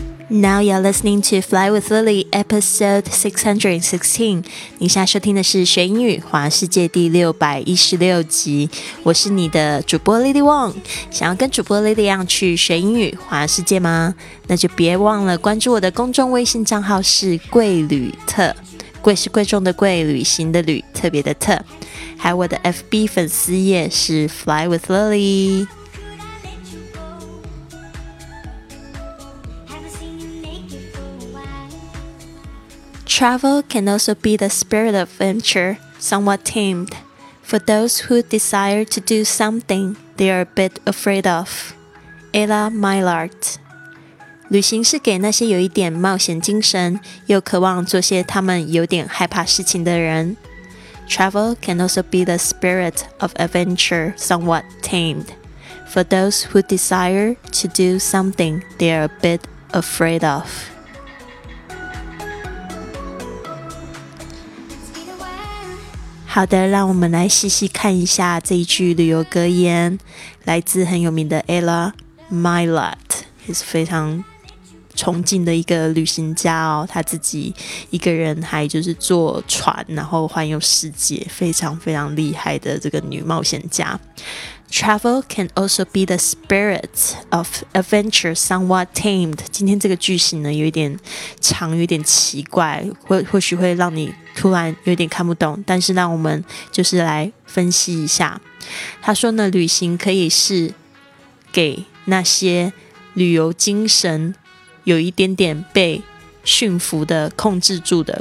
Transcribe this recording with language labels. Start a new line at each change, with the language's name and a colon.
English: Now you're listening to Fly with Lily, episode 616.
Chinese: 你现在收听的是学英语环世界第616集。我是你的主播 Lily Wong。想要跟主播 Lily 一样去学英语环世界吗？那就别忘了关注我的公众微信账号是贵旅特。贵是贵重的贵，旅行的旅，特别的特。还有我的 FB 粉丝页是 Fly with Lily。
English: Travel can also be the spirit of adventure, somewhat tamed. For those who desire to do something they are a bit afraid of. Ella Mylart.
Chinese: 旅行是给那些有一点冒险精神，又渴望做些他们有点害怕事情的人。
English: Travel can also be the spirit of adventure, somewhat tamed. For those who desire to do something they are a bit afraid of.
Chinese: 好的，让我们来细细看一下这一句旅游格言，来自很有名的 Ella Mylart， 也是非常崇敬的一个旅行家哦。他自己一个人还就是坐船，然后环游世界，非常非常厉害的这个女冒险家。
English: Travel can also be the spirit of adventure, somewhat tamed.
Chinese: 今天这个句型呢，有一点长，有点奇怪，或许会让你突然有点看不懂。但是让我们就是来分析一下。他说呢，旅行可以是给那些旅游精神有一点点被驯服的、控制住的。